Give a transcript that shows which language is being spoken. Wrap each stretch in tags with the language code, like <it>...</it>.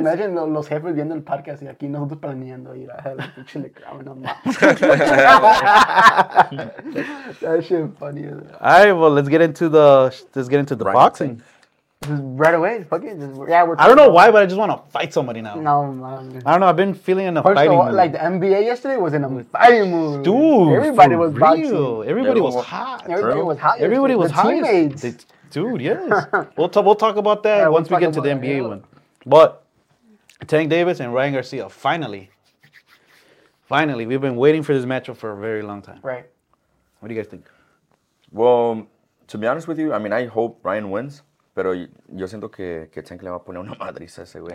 <es>Imagine los jefes viendo el parque así aquí nosotros planeando ir a la pinche Licorama.</es> <en>That shit funny. All right, well, let's get into the right boxing. Right away, fucking yeah. I don't know why, but I just want to fight somebody now. No, man. I don't know. I've been feeling in a first fighting mood. Like the NBA yesterday was in a fighting mood, dude. Everybody was real. Everybody was hot. Everybody was hot. Teammates. Dude, yes. We'll talk about that once we get to the NBA one. But Tank Davis and Ryan Garcia, finally, we've been waiting for this matchup for a very long time. Right. What do you guys think? Well, to be honest with you, I mean, I hope Ryan wins.</en> <es>Pero yo siento que Tank le va a poner una madriza a ese güey.</es>